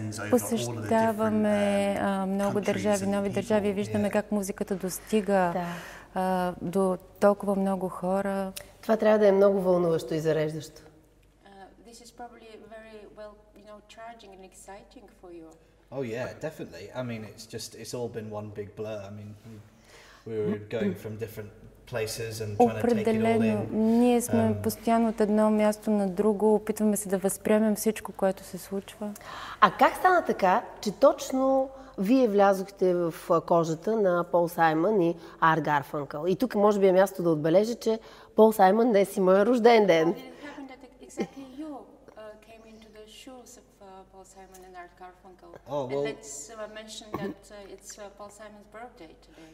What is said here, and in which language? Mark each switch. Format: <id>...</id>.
<bg>Посещаваме много държави, нови държави, виждаме как музиката достига до толкова много хора. Това трябва да е много вълнуващо и зареждащо.</bg> <en>This is probably very well, you know, charging and exciting for you. Oh yeah, definitely. I mean, it's all been one big blur. I mean, we were going from different places and trying to take it all in.</en> <bg>Ние сме постоянно от едно място на друго, опитваме се да възприемем всичко, което се случва. А как стана така, че точно вие влязохте в кожата на Пол Саймън и Арт Гарфанкъл? И тук може би е място да отбележа, че Пол Саймън днес има рожден ден.</bg> <en>Well, did it happen that exactly you came into the shoes of Paul Simon and Art Garfunkel. Oh, well, and let's mention that it's Paul Simon's birthday today.</en>